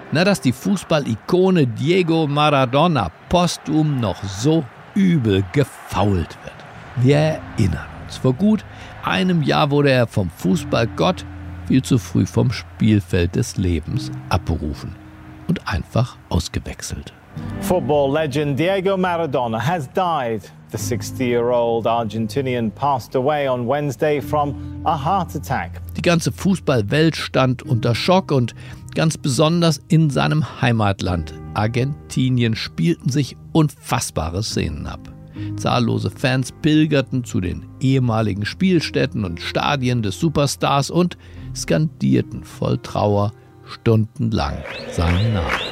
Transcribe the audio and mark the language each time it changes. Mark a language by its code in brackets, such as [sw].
[de] Na, dass die Fußball-Ikone Diego Maradona posthum noch so übel gefault wird. Wir erinnern uns, vor gut einem Jahr wurde er vom Fußballgott viel zu früh vom Spielfeld des Lebens abberufen und einfach ausgewechselt. [en] Football-Legend Diego Maradona has died. The 60-year-old Argentinian passed away on Wednesday from a heart attack. [de] Die ganze Fußballwelt stand unter Schock und ganz besonders in seinem Heimatland Argentinien spielten sich unfassbare Szenen ab. Zahllose Fans pilgerten zu den ehemaligen Spielstätten und Stadien des Superstars und skandierten voll Trauer stundenlang seinen Namen.